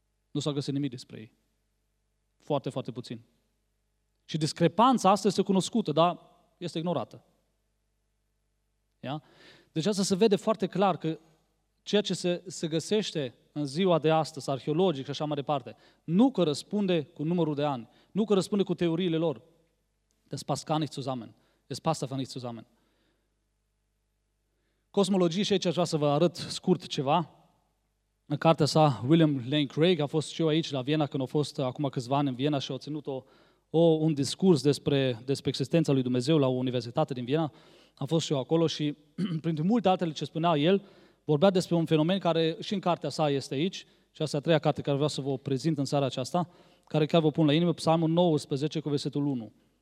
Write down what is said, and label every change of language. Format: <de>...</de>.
<ro>Nu s-a găsit nimic despre ei. Foarte, foarte puțin. Și discrepanța asta este cunoscută, dar este ignorată. Ia? Deci asta se vede foarte clar că ceea ce se găsește în ziua de astăzi, arheologic și așa mai departe, nu corespunde cu numărul de ani, nu corespunde cu teoriile lor.</ro> <de>Das passt gar nicht zusammen. Das passt einfach nicht zusammen.</de> <ro>Cosmologie, și aici aș vrea să vă arăt scurt ceva. În cartea sa, William Lane Craig, a fost și eu aici la Viena, când a fost acum câțiva ani în Viena și a ținut un discurs despre existența lui Dumnezeu la o universitate din Viena. Am fost și eu acolo și, printre multe altele ce spunea el, vorbea despre un fenomen care și în cartea sa este aici, și asta e a treia carte care vreau să vă prezint în seara aceasta, care chiar vă pun la inimă, Psalmul 19 cu versetul 1.</ro>